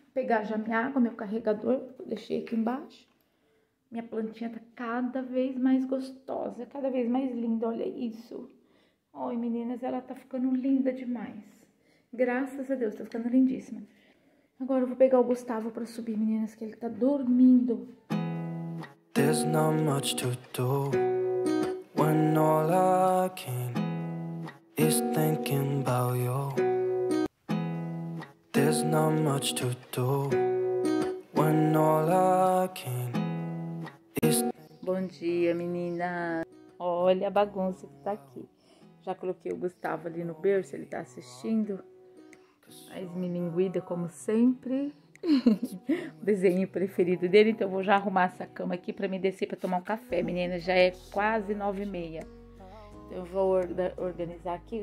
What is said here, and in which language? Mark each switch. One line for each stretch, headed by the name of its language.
Portuguese: Pegar já minha água, meu carregador, que eu deixei aqui embaixo. Minha plantinha tá cada vez mais gostosa, cada vez mais linda. Olha isso. Oi, meninas, ela tá ficando linda demais. Graças a Deus, tá ficando lindíssima. Agora eu vou pegar o Gustavo pra subir, meninas, que ele tá dormindo.
English: There's not much to do when all I can is thinking about you. There's not much to do when all I can is.
Portuguese: Bom dia, menina. Olha a bagunça que tá aqui. Já coloquei o Gustavo ali no berço, ele tá assistindo. Mais milinguida, como sempre. O desenho preferido dele. Então, eu vou já arrumar essa cama aqui pra me descer pra tomar um café, menina. Já é quase 9h30. Eu vou organizar aqui.